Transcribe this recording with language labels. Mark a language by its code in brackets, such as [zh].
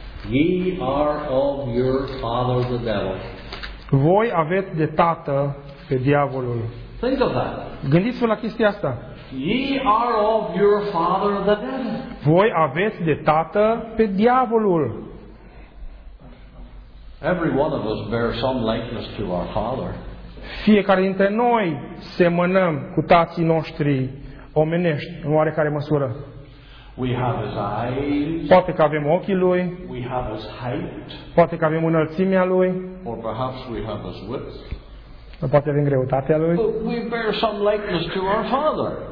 [en] "Ye are of your father the devil." [ro] Voi aveți de tată pe diavolul. [en] Think of that. [ro] Gândiți-vă la chestia asta. [en] "Ye are of your father the devil." [ro] Voi aveți de tată pe diavolul. [en] Every one of us bears some likeness to our father. [ro] Fiecare dintre noi semănăm cu tații noștri omenești în oarecare măsură. [en] We have his eyes. [ro] Poate că avem ochii lui. [en] We have his height. [ro] Poate că avem înălțimea lui. [en] Or perhaps we have his width. [ro] Poate avem greutatea lui. [en] But we bear some likeness to our father.